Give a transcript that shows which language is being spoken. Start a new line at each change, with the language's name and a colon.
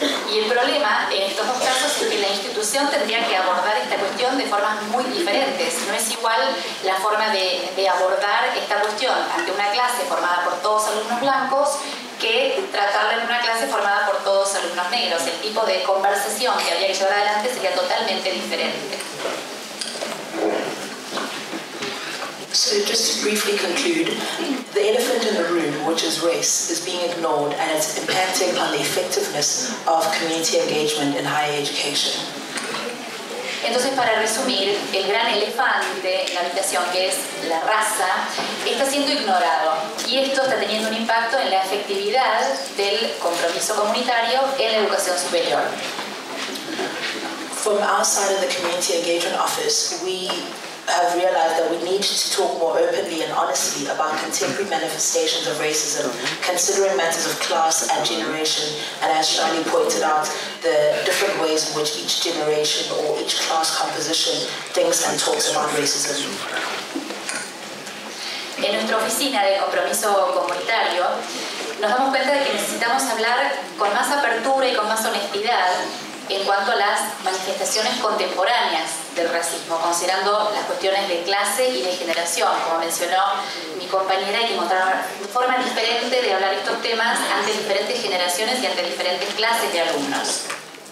Spanish: Y el problema en estos dos casos es que la institución tendría que abordar esta cuestión de formas muy diferentes. No es igual la forma de abordar esta cuestión ante una clase formada por todos alumnos blancos que tratarla en una clase formada por todos alumnos negros. El tipo de conversación que habría que llevar adelante sería totalmente diferente.
English: So just to briefly conclude, the elephant in the room, which is race, is being ignored and it's impacting on the effectiveness of community engagement in higher education.
Spanish: Entonces, para resumir, el gran elefante en la habitación, que es la raza, está siendo ignorado. Y esto está teniendo un impacto en la efectividad del compromiso comunitario en la educación superior.
English: From our side of the community engagement office, we have realized that we need to talk more openly and honestly about contemporary manifestations of racism, considering matters of class and generation, and as Shani pointed out, the different ways in which each generation or each class composition thinks and talks about racism.
Spanish: En nuestra oficina de compromiso comunitario, nos damos cuenta de que necesitamos hablar con más apertura y con más honestidad en cuanto a las manifestaciones contemporáneas del racismo, considerando las cuestiones de clase y de generación, como mencionó mi compañera, y que mostraron forma diferente de hablar estos temas ante diferentes generaciones y ante diferentes clases de alumnos.